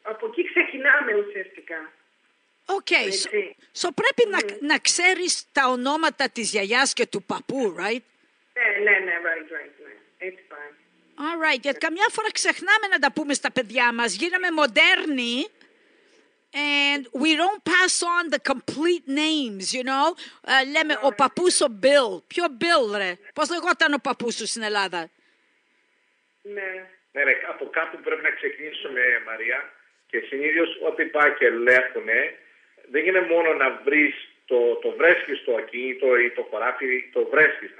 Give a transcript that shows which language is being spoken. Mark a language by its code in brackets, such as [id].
[el] Από εκεί ξεκινάμε ουσιαστικά. [en] Okay, so [el] πρέπει να ξέρεις τα ονόματα της γιαγιάς και του παππού, [en] right? [el] Ναι, [en] right. [el] Έτσι πάει. [en] All right, [el] γιατί καμιά φορά ξεχνάμε να τα πούμε στα παιδιά μας. Γίναμε μοντέρνοι. [en] And we don't pass on the complete names, you know. [el] Λέμε ο παππούς ο Bill. Ποιο Bill, ρε. Πώς λεγόταν ο παππούς σου στην Ελλάδα? Ναι, από κάπου πρέπει να ξεκινήσουμε, Μαρία. Και συνήθως ό,τι πάει και λέγουνε, δεν είναι μόνο να βρεις το βρέσκεις το ακίνητο ή το χωράφι, το βρέσκεις.